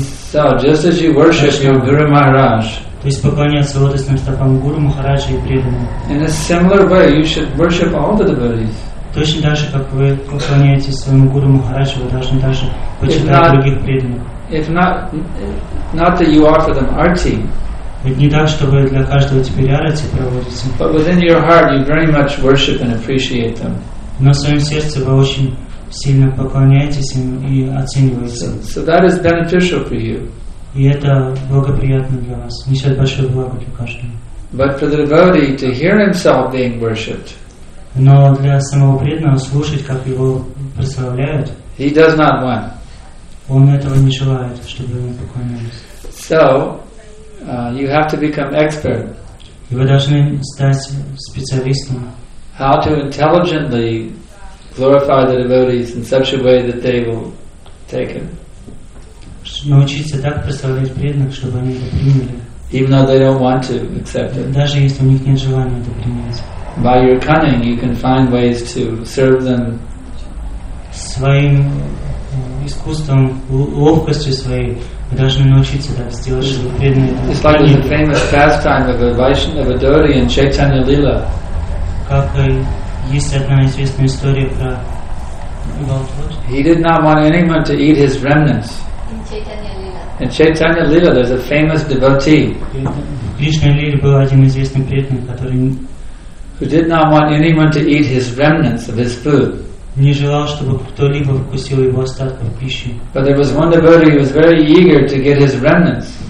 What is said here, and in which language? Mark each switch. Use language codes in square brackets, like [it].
[en] So, just as you worship your Guru Maharaj, [ru] то есть поклоняться лотосным стопам Гуру Махараджа и преданным. [en] In a similar way, you should worship all the devotees. [ru] Точно так же, как вы поклоняетесь своему Гуру Махараджу, вы должны также почитать других преданных. [en] If not that you offer them arti. [ru] Ведь не так, чтобы для каждого теперь арати проводите. [en] But within your heart, you very much worship and appreciate them. [ru] Но в своем сердце вы очень сильно поклоняетесь им и оцениваете. [en] So that is beneficial for you. [ru] И это благоприятно для вас, несет большое благо для каждого. [en] But for the devotee to hear himself being worshipped. [ru] Но для самого преданного слушать, как его прославляют. [en] He does not want. [ru] Он этого не желает, чтобы ему поклонялись. [en] So you have to become expert. [ru] И вы должны стать специалистом. [en] How to intelligently glorify the devotees in such a way that they will take him. [ru] Научиться так представлять преданных, чтобы они это приняли. [en] Even though they don't want to accept it. [ru] Даже если у них нет желания это принять. [en] By your cunning, you can find ways to serve them. [ru] Своим искусством, ловкостью своей, мы должны научиться так сделать, чтобы преданные. [en] It's like the famous pastime of a Vaishnava devotee in Chaitanya Lila. [ru] Как есть одна известная история про Валтвот. [en] He did not want anyone to eat his remnants. In Chaitanya Lila, there's a famous devotee who did not want anyone to eat his remnants of his food. But there was one devotee who was very eager to get his remnants.